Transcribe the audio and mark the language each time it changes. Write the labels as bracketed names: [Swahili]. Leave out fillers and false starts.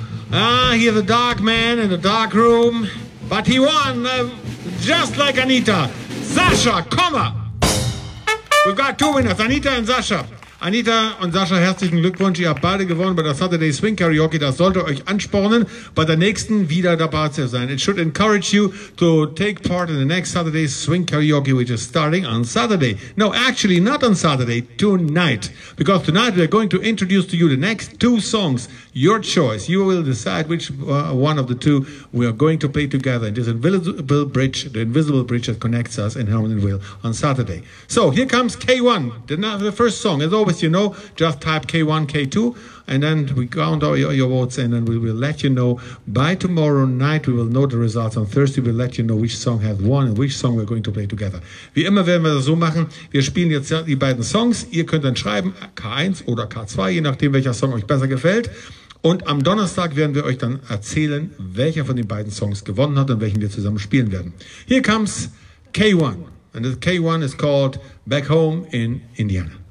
[English] Ah, he's a dark man in a dark room. But he won, just like Anita. Sascha, [German] komm! [English] We've got two winners, Anita und Sascha. [German] Anita und Sascha, herzlichen Glückwunsch. Ihr habt beide gewonnen bei der Saturday Swing Karaoke. Das sollte euch anspornen, bei der nächsten wieder dabei zu sein. [English] It should encourage you to take part in the next Saturday Swing Karaoke, which is starting on Saturday. No, actually, not on Saturday, tonight. Because tonight we are going to introduce to you the next two songs. Your choice. You will decide which one of the two we are going to play together. This invisible bridge, the invisible bridge that connects us in Hermanville on Saturday. So, here comes K1, the first song. As always, you know, just type K1, K2, and then we count all your votes in, and we will let you know. By tomorrow night, we will know the results. On Thursday, we'll let you know which song has won and which song we're going to play together. [German] Wie immer werden wir das so machen. Wir spielen jetzt die beiden Songs. Ihr könnt dann schreiben, K1 oder K2, je nachdem, welcher Song euch besser gefällt. Und am Donnerstag werden wir euch dann erzählen, welcher von den beiden Songs gewonnen hat und welchen wir zusammen spielen werden. [English] Here comes K1. And the K1 is called Back Home in Indiana.